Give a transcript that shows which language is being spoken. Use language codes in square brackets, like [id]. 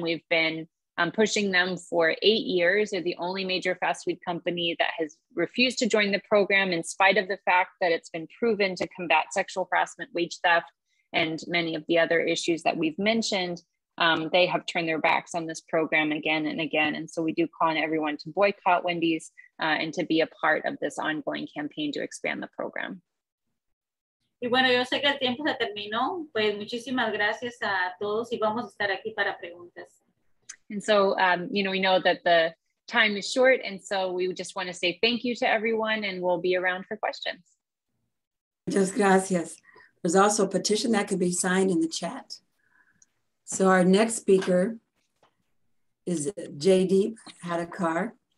[en] We've been pushing them for 8 years. They're the only major fast food company that has refused to join the program in spite of the fact that it's been proven to combat sexual harassment, wage theft, and many of the other issues that we've mentioned. They have turned their backs on this program again and again. And so we do call on everyone to boycott Wendy's and to be a part of this ongoing campaign to expand the program. [es] Y bueno, yo sé que el tiempo se terminó. Pues muchísimas gracias a todos y vamos a estar aquí para preguntas. [en] And so, you know, we know that the time is short, and so we just want to say thank you to everyone and we'll be around for questions. [es] Muchas gracias. [en] There's also a petition that could be signed in the chat. So our next speaker is Jaydeep Hadakar.